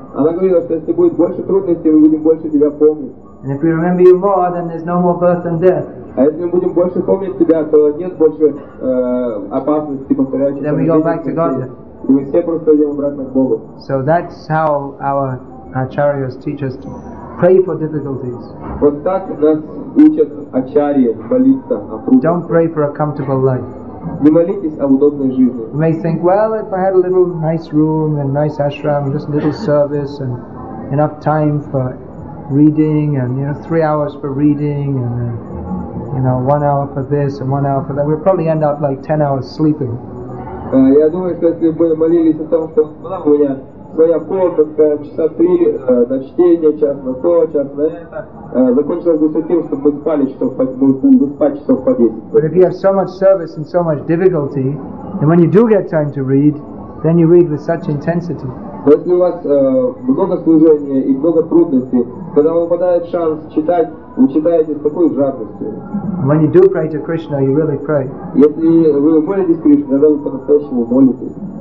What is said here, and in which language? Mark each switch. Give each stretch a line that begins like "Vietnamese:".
Russian: Она говорила, что если будет больше трудностей, мы будем больше тебя помнить.
English: And if we remember you more, then there's no more birth and death.
Russian: А если мы будем больше помнить тебя, то нет больше опасности повторяющейся.
English: Then we go back to Godhead.
Russian: И мы все просто идем обратно к Богу.
English: So that's how our acharyas teach us to pray for difficulties.
Russian: Вот так нас учат ачарьи молиться о трудностях.
English: Don't pray for a comfortable life.
Russian: Не молитесь о удобной жизни.
English: You may think, well, if I had a little nice room and nice ashram, just a little service and enough time for reading and, you know, 3 hours for reading and, you know, 1 hour for this and 1 hour for that, we'll probably end up like 10 hours sleeping.
Russian: Я думаю, что если бы молились о том, что была у меня своя комната, часа три на чтение, час на то, час на это, закончилось бы с этим, чтобы мы спали часов по 10.
English: But if you have so much service and so much difficulty, then when you do get time to read, then you read with such intensity.
Russian: Но если у вас много служения и много трудностей, когда вам выпадает шанс читать, вы читаете с такой жадностью.
English: When you do pray to Krishna, you really pray.
Russian: Если вы молитесь Кришне, тогда вы по-настоящему молитесь.